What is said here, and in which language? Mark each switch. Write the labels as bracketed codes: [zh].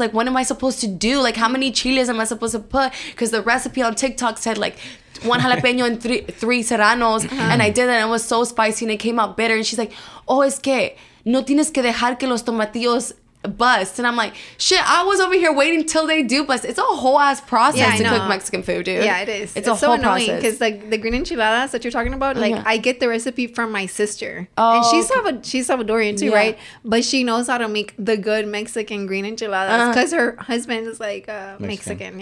[en] Like, what am I supposed to do? Like, how many chiles am I supposed to put? Because the recipe on TikTok said, like, one jalapeño and three serranos, and I did that, and it was so spicy, and it came out bitter. And she's like, oh, [es] es que no tienes que dejar que los tomatillos bust. [en] And I'm like, shit, I was over here waiting till they do bust. It's a whole ass process to cook Mexican food, dude. Yeah, it is. It's a so whole annoying because, like, the green enchiladas that you're talking about, like, I get the recipe from my sister. Oh, and she's Salvadorian too, right? But she knows how to make the good Mexican green enchiladas because her husband is like Mexican.